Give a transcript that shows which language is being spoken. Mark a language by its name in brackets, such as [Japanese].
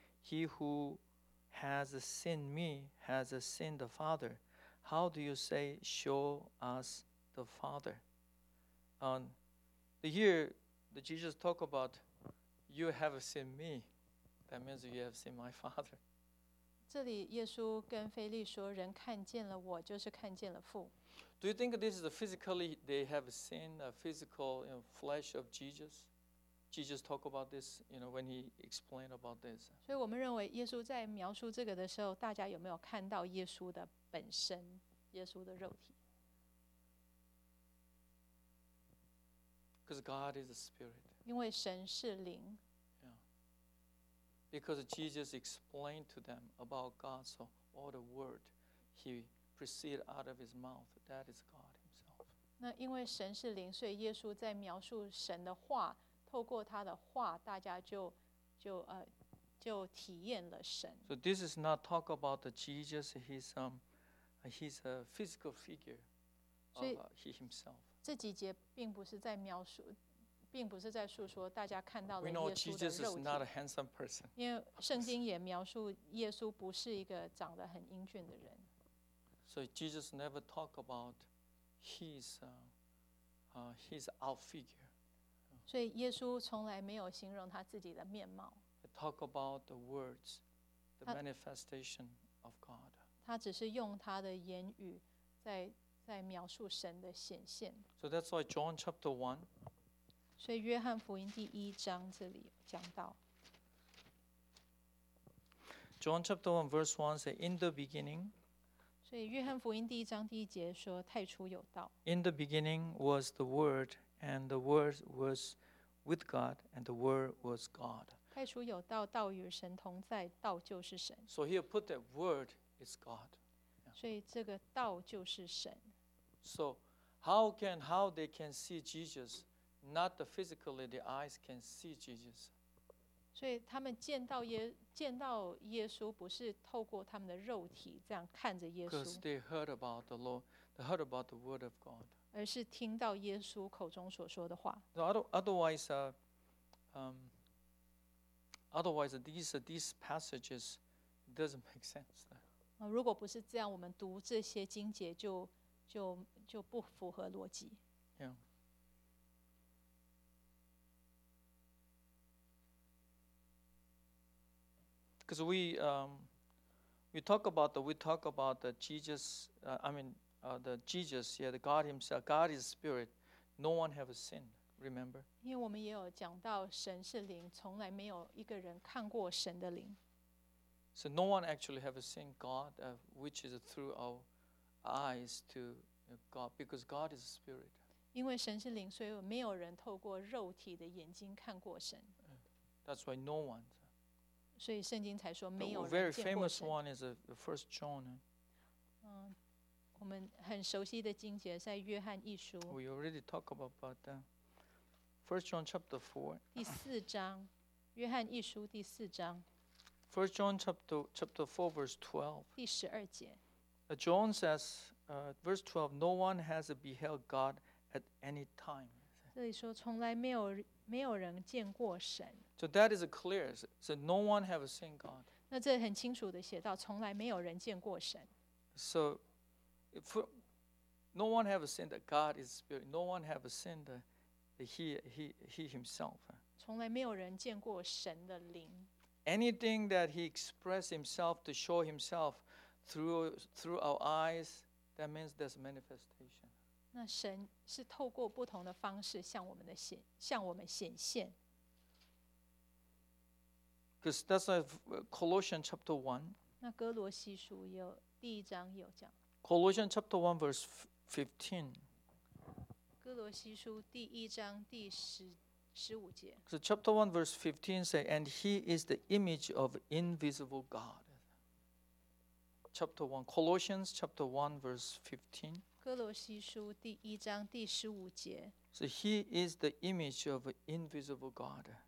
[English] He who has seen me has seen the Father. How do you say, show us the Father? Here, the Jesus talk about, you have seen me. That means you have seen my Father. [Chinese] 这里耶稣跟腓力说，人看见了我，就是看见了父。 [English] Do you think this is physically they have seen a physical, you know, flesh of Jesus? Jesus talk about this, you know, when he explained about this. [Chinese] 所以我们认为耶稣在描述这个的时候，大家有没有看到耶稣的本身，耶稣的肉体？ [English] Because God is a spirit. [Chinese] 因为神是灵。 [English] Because Jesus explained to them about God, so all the word he proceeded out of his mouth, that is God himself. [Chinese] 那因为神是灵，所以耶稣在描述神的话，透过他的话，大家就体验了神。 [English] So this is not talk about Jesus, he's a physical figure of he himself. [Chinese] 这几节并不是在描述。并不是在述说大家看到的耶稣的肉体。 [English] We know Jesus is not a handsome person. [Chinese] 因为圣经也描述耶稣不是一个长得很英俊的人。 [English] So Jesus never talk about his out figure. [Chinese] 所以耶稣从来没有形容他自己的面貌。 [English] He talk about the words, the manifestation of God. [Chinese] 他只是用他的言语在描述神的显现。 [English] So that's why John chapter 1. [Chinese] 所以约翰福音第一章这里讲到 [English] John chapter 1 verse 1 says in the beginning [Chinese] 所以约翰福音第一章第一节说太初有道 [English] In the beginning was the word and the word was with God and the word was God [Chinese] 太初有道道与神同在道就是神 [English] So here put that word is God [Chinese] 所以这个道就是神 [English] So how they can see JesusNot the physically, the eyes can see Jesus. [Chinese] 所以他们见到耶稣，不是透过他们的肉体这样看着耶稣。 [English] Because they heard about the Lord, they heard about the word of God. [Chinese] 而是听到耶稣口中所说的话。 [English] Otherwise, these passages doesn't make sense. [Chinese] 如果不是这样，我们读这些经节就不符合逻辑。 [English] Yeah. Because we talk about the God Himself, God is Spirit. No one has sinned, remember? Because we also talked about God is Spirit. No one has ever seen the Spirit of God. So no one actually has seen God, which is through our eyes to God, because God is Spirit. Because God is Spirit, so no one has ever seen God through the eyes of God. That's why no one. [Chinese] 所以圣经才说没有人见过神。 [English] The very famous one is the first John. [Chinese] 我们很熟悉的经节在约翰一书。 [English] We already talked about that. First John chapter 4. [Chinese] 第四章，约翰一书第四章。 [English] First John chapter 4 verse 12. [Chinese] 第十二节。 [English] John says, verse 12, no one has beheld God at any time. [Chinese] 这里说从来没有人见过神。 [English] So that is clear. So no one has seen God. [Chinese] 那这很清楚地写到，从来没有人见过神。 [English] So, no one has seen that God is spirit. No one has seen that he himself. [Chinese] 从来没有人见过神的灵。 [English] Anything that he expressed himself to show himself through our eyes, that means there's manifestation. [Chinese] 那神是透过不同的方式向我们显现。 [English] Because that's like Colossians chapter 1. [Chinese] 那哥罗西书有第一章有讲。 [English] Colossians chapter 1 verse 15. [Chinese] 哥罗西书第一章第十五节。 [English] So chapter 1 verse 15 says, And he is the image of invisible God. Chapter 1, Colossians chapter 1 verse 15. [Chinese] 哥罗西书第一章第十五节。 [English] So he is the image of invisible God.